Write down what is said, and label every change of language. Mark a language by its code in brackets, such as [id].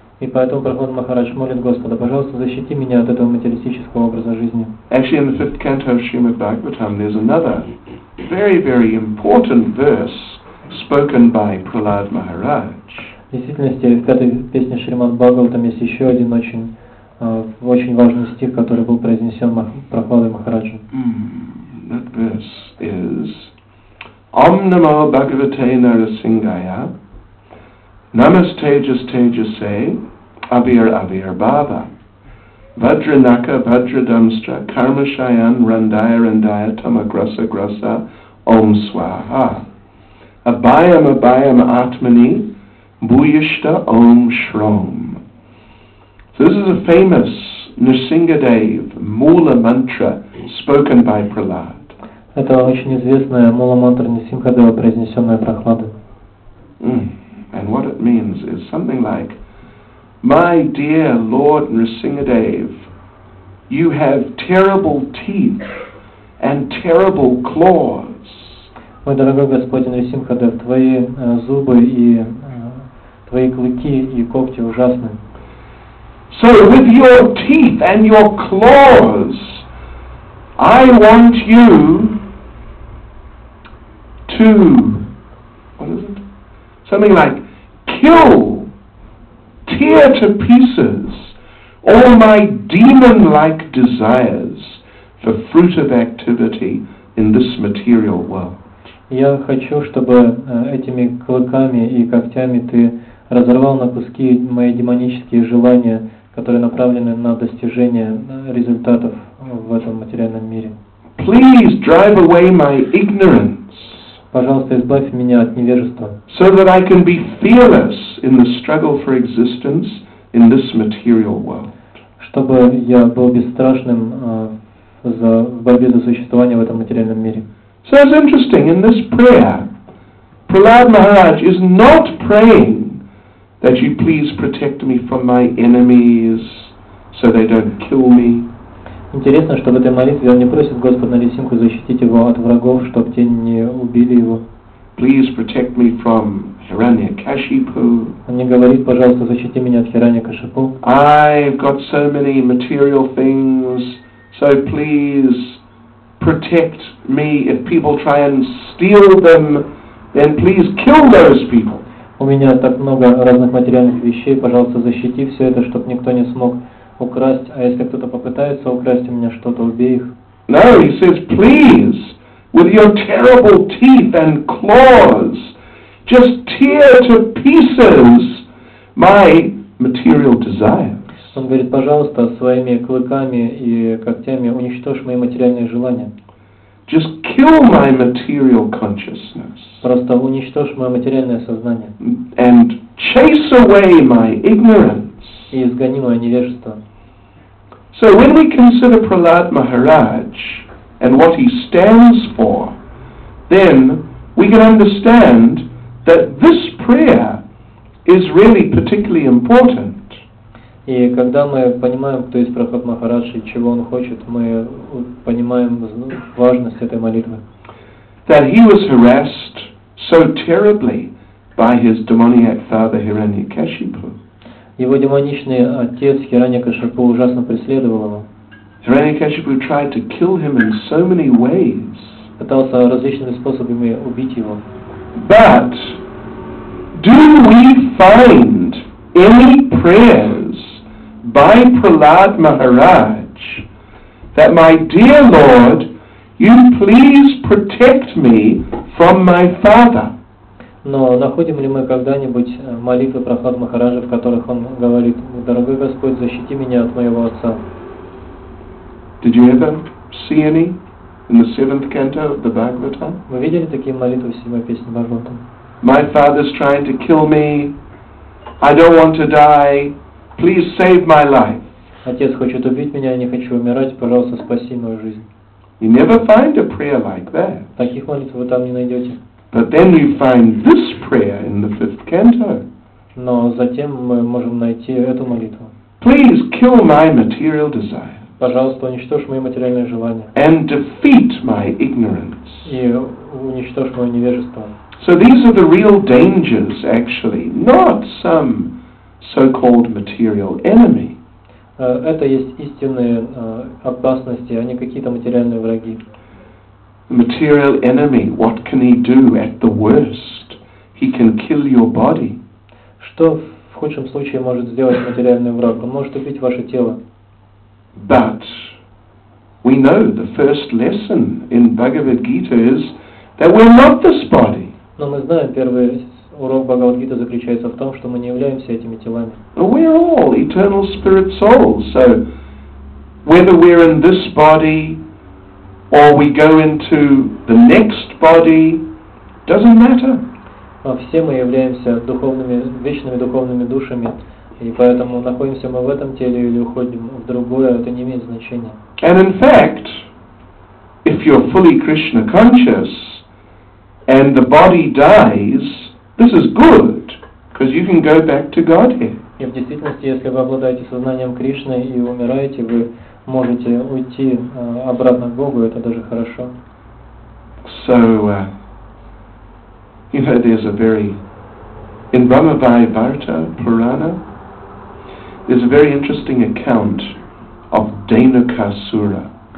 [ru] И поэтому Прахлад Махарадж молит Господа, пожалуйста, защити меня от этого материалистического образа жизни. [en] Actually, in the fifth canto of Srimad Bhagavatam, there's another very, very important verse spoken by Prahlad Maharaj. [ru] В действительности, в пятой песне Шримад Бхагаватам есть еще один очень, очень важный стих, который был произнесен Прахладой Махараджем. [en] That verse is [sa] Om Namo Bhagavate Narasingaya Namaste Jastejase Avir Avir Baba Vajranaka Vajradamstra Karmashayan Randaya Randaya Tamagrasa Grasa Om Swaha Abhayam Abhayam Atmani Bhuyishta Om Shrom. [en] So this is a famous Nrsingadev Mula Mantra spoken by Prahlad. [ru] Это очень известная Мула Мантра Нрсингадева, произнесенная Прахладой. [en] And what it means is something like, My dear Lord Nrsingadev, you have terrible teeth and terrible claws. [ru] Мой дорогой Господь Нрсингадев, твои зубы и твои клыки и когти ужасны. [en] So with your teeth and your claws, I want you to, what is it? Something like, kill, tear to pieces all my demon-like desires for fruit of activity in this material world. [ru] Я хочу, чтобы этими клыками и когтями ты разорвал на куски мои демонические желания, которые направлены на достижение результатов в этом материальном мире. [en] Please drive away my ignorance. [ru] Пожалуйста, избавь меня от невежества. [en] So that I can be fearless in the struggle for existence in this material world. [ru] Чтобы я был бесстрашным в борьбе за существование в этом материальном мире. [en] So it's interesting, in this prayer, Prahlad Maharaj is not praying that you please protect me from my enemies so they don't kill me. [ru] Интересно, что в этой молитве он не просит Господа Нарисимху защитить его от врагов, чтобы те не убили его. [en] Please protect me from Hiranyakashipu. [ru] Он не говорит, пожалуйста, защити меня от Хираньякашипу. [en] I've got so many material things, so please protect me. If people try and steal them, then please kill those people. [ru] У меня так много разных материальных вещей, пожалуйста, защити все это, чтобы никто не смог украсть, а если кто-то попытается украсть у меня что-то, убей их. [en] No, he says, please, with your terrible teeth and claws, just tear to pieces my material desires. [ru] Он говорит, пожалуйста, своими клыками и когтями уничтожь мои материальные желания. [en] Just kill my material consciousness. [ru] Просто уничтожь мое материальное сознание. [en] And chase away my ignorance. [ru] И изгони мое невежество. [en] So when we consider Prahlad Maharaj and what he stands for, then we can understand that this prayer is really particularly important. [ru] И когда мы понимаем, кто есть Прахлад Махарадж и чего он хочет, мы понимаем важность этой молитвы. [en] That he was harassed so terribly by his demoniac father Hiranyakashipu. [ru] Его демоничный отец Хираньякашипу ужасно преследовал его. [en] Hiranyakashipu tried to kill him in so many ways. [ru] Пытался различными способами убить его. [en] But do we find any prayers by Prahlad Maharaj that, my dear Lord, you please protect me from my father? [ru] Но находим ли мы когда-нибудь молитвы Прахлад Махараджа, в которых он говорит: «Дорогой Господь, защити меня от моего отца»? [en] Did you ever see any in the seventh canto of the Bhagavatam? [ru] Вы видели такие молитвы в седьмой песне Бхагаватам? [en] My father's trying to kill me. I don't want to die. Please save my life. [ru] Отец хочет убить меня, я не хочу умирать. Пожалуйста, спаси мою жизнь. [en] You never find a prayer like that. [ru] Таких молитв вы там не найдете. [en] But then you find this prayer in the fifth canto. [ru] Но затем мы можем найти эту молитву. [en] Please kill my material desire. [ru] Пожалуйста, уничтожь мои материальные желания. [en] And defeat my ignorance. [ru] И уничтожь мое невежество. [en] So these are the real dangers, actually, not some so-called material enemy. [ru] Это есть истинные опасности, а не какие-то материальные враги. [en] Material enemy, what can he do at the worst? He can kill your body. [ru] Что в худшем случае может сделать материальный враг? Он может убить ваше тело. [en] But we know the first lesson in Bhagavad Gita is that we're not this body. [ru] Но мы знаем, первый урок Бхагавад-гиты заключается в том, что мы не являемся этими телами. [en] We are all eternal spirit souls. So whether we're in this body or we go into the next body, doesn't matter. [ru] Все мы являемся духовными, вечными духовными душами, и поэтому находимся мы в этом теле или уходим в другое, это не имеет значения. [en] And in fact, if you're fully Krishna conscious, and the body dies, this is good, because you can go back to Godhead. [ru] И в действительности, если вы обладаете сознанием Кришны и умираете, вы можете уйти обратно к Богу, это даже хорошо. [en] So, you know, there's a very... In Brahmavai Bharata Purana, there's a very interesting account of Dainukasura.